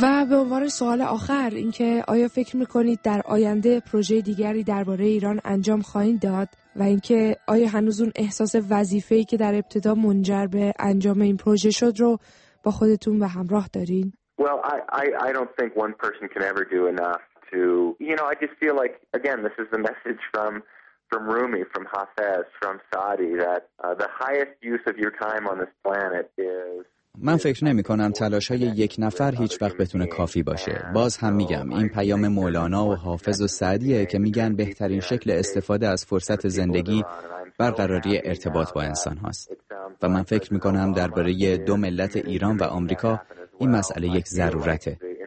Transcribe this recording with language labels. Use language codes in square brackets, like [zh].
[fa] و به عنوان سوال آخر، اینکه آیا فکر میکنید در آینده پروژه دیگری درباره ایران انجام خواهید داد؟ و اینکه آیا هنوز اون احساس وظیفه‌ای که در ابتدا منجر به انجام این پروژه شد رو با خودتون و همراه دارین؟ [en] I don't think one person can ever do enough to, you know, I just feel like, again, this is the message from Rumi, from Hafez, from Saadi, that the highest use of your time on this planet is. [fa] من فکر نمی کنم تلاش های یک نفر هیچ وقت بتونه کافی باشه. باز هم میگم این پیام مولانا و حافظ و سعدیه که میگن بهترین شکل استفاده از فرصت زندگی برقراری ارتباط با انسان هاست. و من فکر می کنم درباره دو ملت ایران و آمریکا این مسئله یک ضرورته.